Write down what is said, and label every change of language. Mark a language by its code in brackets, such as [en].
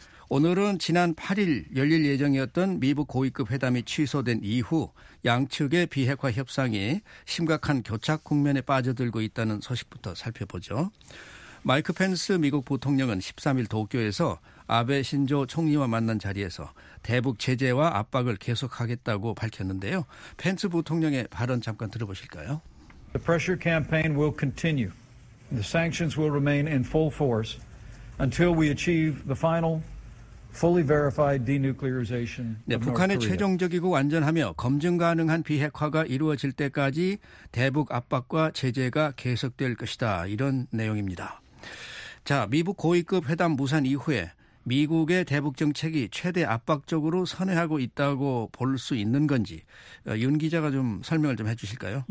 [ko] 오늘은 지난 8일 열릴 예정이었던 미북 고위급 회담이 취소된 이후 양측의 비핵화 협상이 심각한 교착 국면에 빠져들고 있다는 소식부터 살펴보죠. 마이크 펜스 미국 부통령은 13일 도쿄에서 아베 신조 총리와 만난 자리에서 대북 제재와 압박을 계속하겠다고 밝혔는데요. 펜스 부통령의 발언 잠깐 들어보실까요? [en] The pressure campaign will continue. The sanctions will remain in full force until we achieve the final fully verified denuclearization. [ko] 네, 북한의 최종적이고 완전하며 검증 가능한 비핵화가 이루어질 때까지 대북 압박과 제재가 계속될 것이다. 이런 내용입니다. 자, 미북 고위급 회담 무산 이후에 미국의 대북 정책이 최대 압박적으로 선회하고 있다고 볼 수 있는 건지 윤 기자가 좀 설명을 좀 해 주실까요?